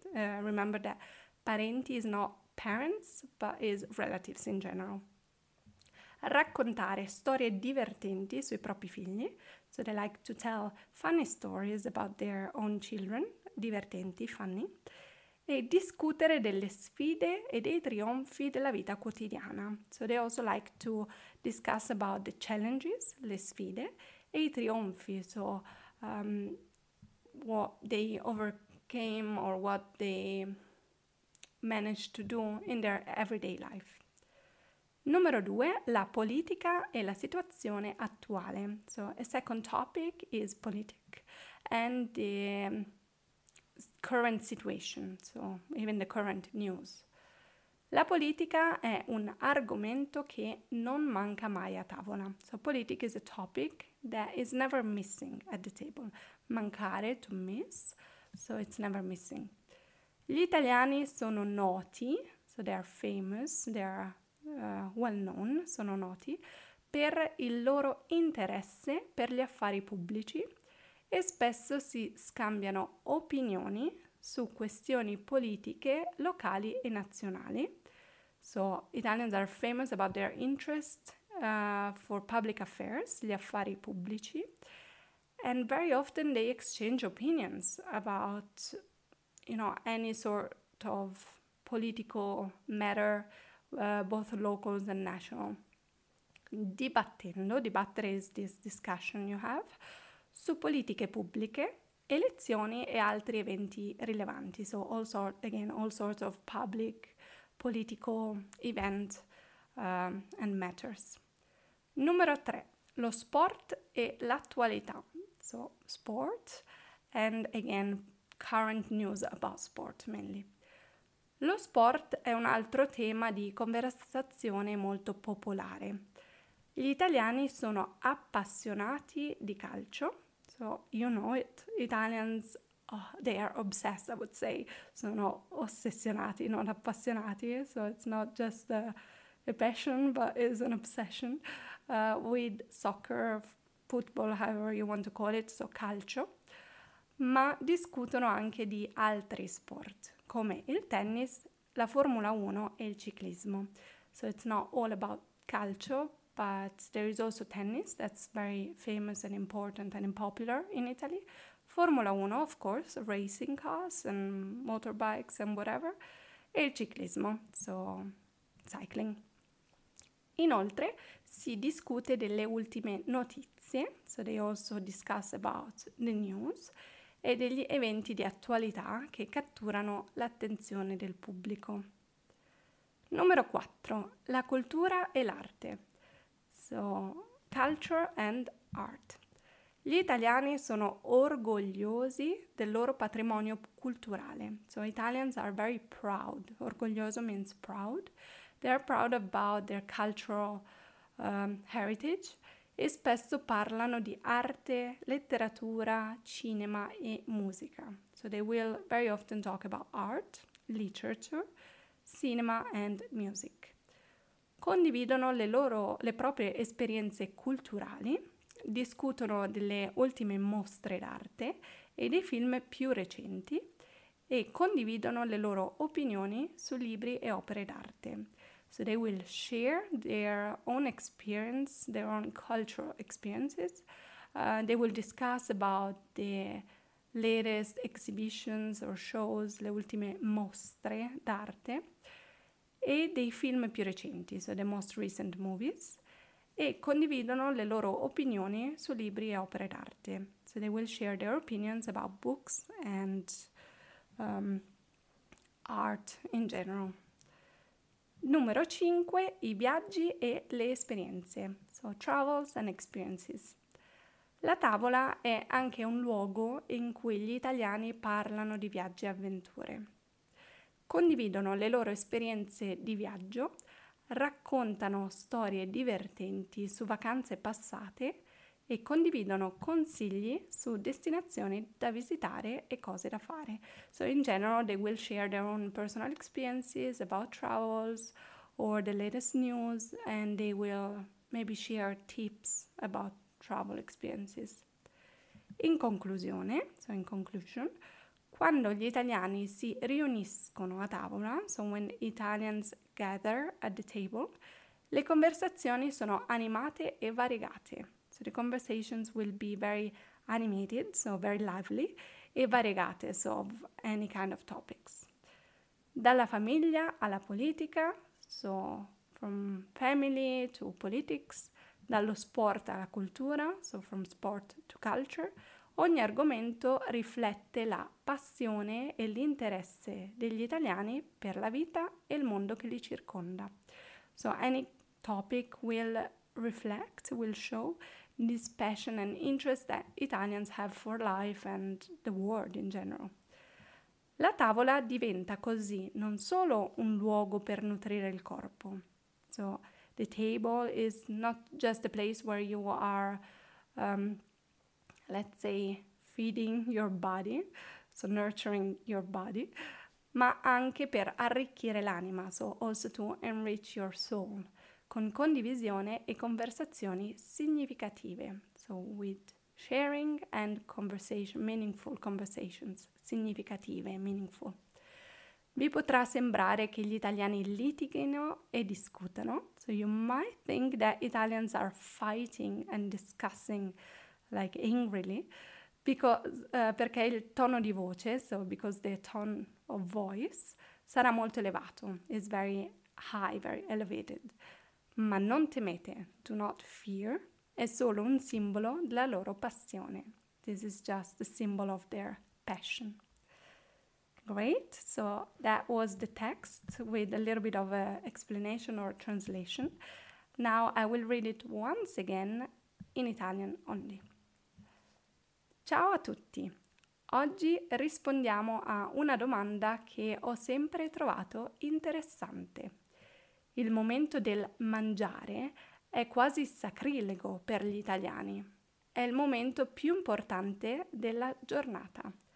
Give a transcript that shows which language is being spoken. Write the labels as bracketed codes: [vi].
[en] Remember that parenti is not parents, but is relatives in general. [it] Raccontare storie divertenti sui propri figli. [en] So they like to tell funny stories about their own children, divertenti, funny. [it] E discutere delle sfide e dei trionfi della vita quotidiana. [en] So they also like to discuss about the challenges, [it] le sfide, e i trionfi, [en] so what they overcame or what they managed to do in their everyday life. [it] Numero due, la politica e la situazione attuale. [en] So a second topic is politics. and the current situation, so even the current news. [it] La politica è un argomento che non manca mai a tavola. [en] So politics is a topic that is never missing at the table. Mancare, to miss, so it's never missing. [it] Gli italiani sono noti, [en] so they are famous, they are well known, [it] sono noti, per il loro interesse per gli affari pubblici e spesso si scambiano opinioni su questioni politiche locali e nazionali. [en] So Italians are famous about their interest for public affairs, [it] gli affari pubblici, [en] and very often they exchange opinions about, you know, any sort of political matter, both locals and national. [it] Dibattendo, dibattere [en] is this discussion you have, [it] su politiche pubbliche, elezioni e altri eventi rilevanti. [en] So all sorts of public, political event and matters. [it] Numero tre, lo sport e l'attualità. [en] So sport and again current news about sport mainly. [it] Lo sport è un altro tema di conversazione molto popolare. Gli italiani sono appassionati di calcio. [en] So you know it, Italians, oh, they are obsessed, I would say. [it] Sono ossessionati, non appassionati. [en] So it's not just a passion, but it's an obsession with soccer, football, however you want to call it, so calcio. [it] Ma discutono anche di altri sport, come il tennis, la Formula 1 e il ciclismo. [en] So it's not all about calcio, but there is also tennis, that's very famous and important and popular in Italy. Formula 1, of course, racing cars and motorbikes and whatever. [it] E il ciclismo, [en] so cycling. [it] Inoltre, si discute delle ultime notizie, [en] so they also discuss about the news, [it] e degli eventi di attualità che catturano l'attenzione del pubblico. Numero 4. La cultura e l'arte. [en] So, culture and art. [it] Gli italiani sono orgogliosi del loro patrimonio culturale. [en] So, Italians are very proud. Orgoglioso means proud. They are proud about their cultural heritage [it] e spesso parlano di arte, letteratura, cinema e musica. [en] So, they will very often talk about art, literature, cinema and music. [it] Condividono le proprie esperienze culturali, discutono delle ultime mostre d'arte e dei film più recenti e condividono le loro opinioni su libri e opere d'arte. [en] So they will share their own experience, their own cultural experiences. They will discuss about the latest exhibitions or shows, [it] le ultime mostre d'arte, e dei film più recenti, [en] so the most recent movies, [it] e condividono le loro opinioni su libri e opere d'arte. [en] So they will share their opinions about books and art in general. [it] Numero 5, i viaggi e le esperienze. [en] So travels and experiences. [it] La tavola è anche un luogo in cui gli italiani parlano di viaggi e avventure. Condividono le loro esperienze di viaggio, raccontano storie divertenti su vacanze passate e condividono consigli su destinazioni da visitare e cose da fare. [en] So in general they will share their own personal experiences about travels or the latest news and they will maybe share tips about travel experiences. [it] In conclusione, [en] so in conclusion, [it] quando gli italiani si riuniscono a tavola, [en] so when Italians gather at the table, [it] le conversazioni sono animate e variegate. [en] So the conversations will be very animated, so very lively, [it] e variegate, [en] so of any kind of topics. [it] Dalla famiglia alla politica, [en] so from family to politics, [it] dallo sport alla cultura, [en] so from sport to culture, [it] ogni argomento riflette la passione e l'interesse degli italiani per la vita e il mondo che li circonda. [en] So any topic will reflect, will show this passion and interest that Italians have for life and the world in general. [it] La tavola diventa così non solo un luogo per nutrire il corpo. [en] So the table is not just a place where you are, let's say, feeding your body, so nurturing your body, [it] ma anche per arricchire l'anima, [en] so also to enrich your soul, [it] con condivisione e conversazioni significative, [en] so with sharing and conversation, meaningful conversations, significative, meaningful. [it] Vi potrà sembrare che gli italiani litighino e discutano, [en] so you might think that Italians are fighting and discussing, like angrily, [it] perché il tono di voce, [en] so because the tone of voice, [it] sarà molto elevato, [en] is very high, very elevated. [it] Ma non temete, [en] do not fear, [it] è solo un simbolo della loro passione. [en] This is just a symbol of their passion. Great, so that was the text with a little bit of an explanation or translation. Now I will read it once again in Italian only. [it] Ciao a tutti. Oggi rispondiamo a una domanda che ho sempre trovato interessante. Il momento del mangiare è quasi sacrilego per gli italiani. È il momento più importante della giornata.